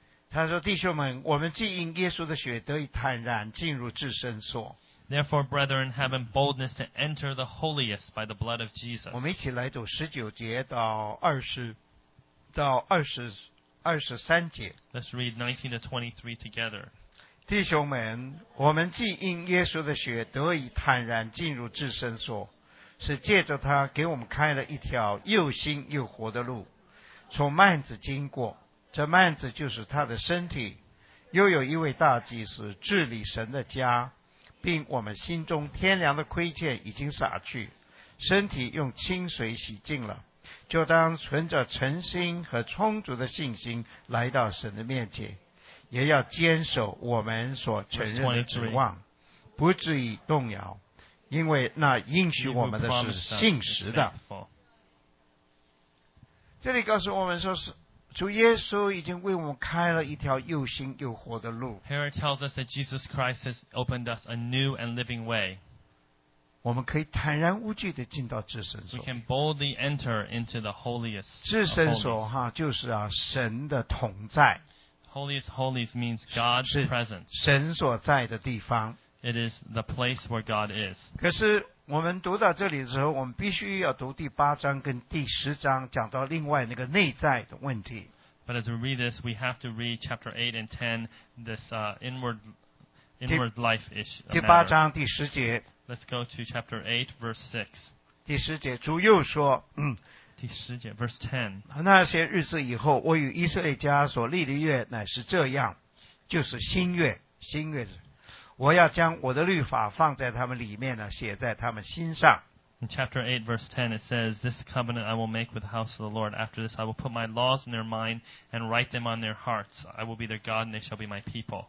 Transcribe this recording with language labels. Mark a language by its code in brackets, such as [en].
[zh] 他说：“弟兄们，我们既因耶稣的血得以坦然进入至圣所。” [en] Therefore, brethren, having boldness to enter the holiest by the blood of Jesus. [zh] 我们一起来读十九节到二十到二十。二十三节 [en] Let's read 19 to 23 together. [zh] 弟兄们，我们既因耶稣的血得以坦然进入至圣所，是借着他给我们开了一条又新又活的路，从幔子经过。这幔子就是他的身体。又有一位大祭司治理神的家，并我们心中天良的亏欠已经洒去，身体用清水洗净了。就当存着诚心和充足的信心来到神的面前，也要坚守我们所承认的指望，不至于动摇，因为那应许我们的是信实的。这里告诉我们说是主耶稣已经为我们开了一条又新又活的路。 [en] Here it tells us that Jesus Christ has opened us a new and living way. [zh] 我们可以坦然无惧地进到至圣所。 [en] We can boldly enter into the holiest. [zh] 至圣所哈，就是啊，神的同在。 [en] Holiest holies means God's presence. [zh] 神所在的地方。 [en] It is the place where God is. [zh] 可是我们读到这里的时候，我们必须要读第八章跟第十章，讲到另外那个内在的问题。 [en] But as we read this, we have to read chapter 8 and 10, this inward life issue. [zh] 第八章第十节。 [en] Let's go to chapter 8, verse 6. [zh] 第十节，主又说，第十节 [en] verse 10。 [zh] 那些日子以后，我与以色列家所立的约乃是这样，就是新约，新约。我要将我的律法放在他们里面呢，写在他们心上。 [en] In chapter 8, verse 10, it says, This covenant I will make with the house of the Lord. After this, I will put my laws in their mind and write them on their hearts. I will be their God and they shall be my people.